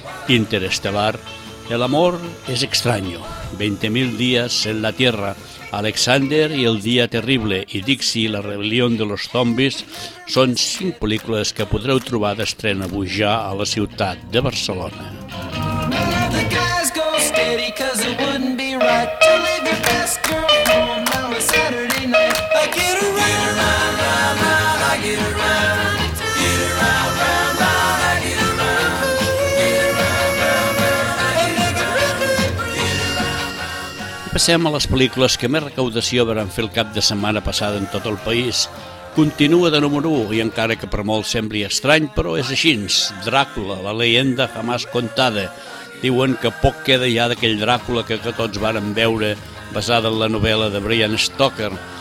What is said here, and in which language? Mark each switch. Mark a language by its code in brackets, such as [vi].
[ca] Interestel·lar, El amor es extraño, 20.000 dies en la Tierra, Alexander i el dia terrible i Dixie i la rebel·lió de los zombis són cinc pel·lícules que podreu trobar d'estrena avui ja a la ciutat de Barcelona. [en] Steady, 'cause it wouldn't be right to leave your best girl home on a Saturday night. I get around, get around, round, round, I get around, get around, round, round, I get around, get around, round, round, I get around, get around, round, round, I get around, get around. [ca] Passem a les pel·lícules que més recaudació varen fer el cap de setmana passada en tot el país. Continua de número 1, i encara que per molt sembli estrany, però és així. Dràcula, la leyenda jamás contada. Diuen que poc queda ja d'aquell Dràcula que tots varen veure basada en la novel·la de Bram Stoker.